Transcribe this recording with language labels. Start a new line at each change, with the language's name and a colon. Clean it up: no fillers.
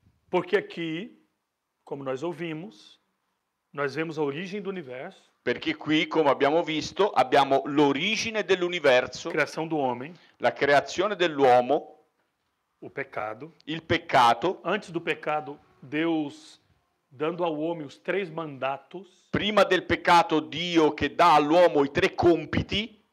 Portuguese: Porque aqui, como nós ouvimos, nós vemos a origem do universo.
Italian: Perché qui, come abbiamo visto, abbiamo l'origine dell'universo.
Portuguese: Criação do homem.
Italian: La creazione dell'uomo.
Portuguese: O pecado.
Italian: Il peccato.
Portuguese: Antes do pecado, Deus dando ao homem os três mandatos.
Italian: Prima del peccato Dio che dà all'uomo i tre compiti.